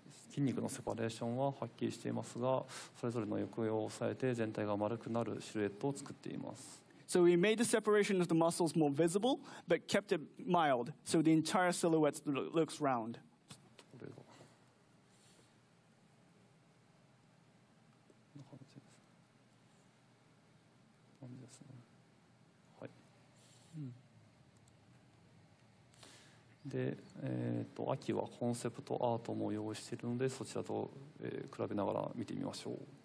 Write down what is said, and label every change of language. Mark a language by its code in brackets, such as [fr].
[ja] 筋肉のセパレーションははっきりしていますがそれぞれの抑揚を抑えて全体が丸くなるシルエットを作っています。 [en] So we made the separation of the muscles more visible but kept it mild so the entire silhouette looks round. [ja] これが、こんな感じですね。はい、で、秋はコンセプトアートも用意しているのでそちらと、比べながら見てみましょう。